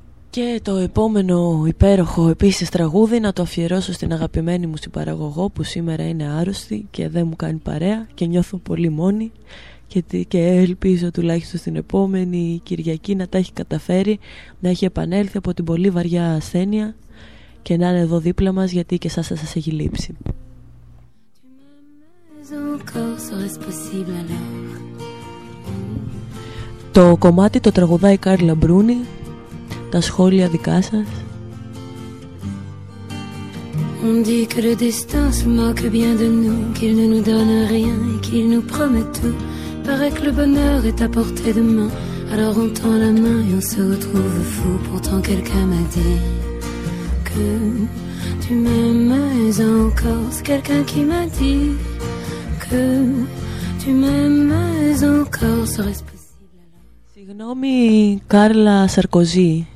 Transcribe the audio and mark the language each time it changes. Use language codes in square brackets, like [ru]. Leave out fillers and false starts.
[el] Και το επόμενο υπέροχο επίσης τραγούδι να το αφιερώσω στην αγαπημένη μου συμπαραγωγό που σήμερα είναι άρρωστη και δεν μου κάνει παρέα και νιώθω πολύ μόνη και ελπίζω τουλάχιστον στην επόμενη Κυριακή να τα έχει καταφέρει, να έχει επανέλθει από την πολύ βαριά ασθένεια και να είναι εδώ δίπλα μας γιατί και σας θα σας έχει λείψει. Το κομμάτι το τραγουδάει Κάρλα Μπρούνι. Τα σχόλια δικά σας. [fr] On dit que le destin se moque bien de nous, qu'il ne nous donne rien et qu'il nous promet tout. Paraît que le bonheur est à portée de main. Alors on tend la main et on se retrouve fou. Pourtant quelqu'un m'a dit que tu m'aimes encore. C'est quelqu'un qui m'a dit que tu m'aimes encore. Serait-ce possible? [el] Συγγνώμη, Κάρλα Σαρκοζή.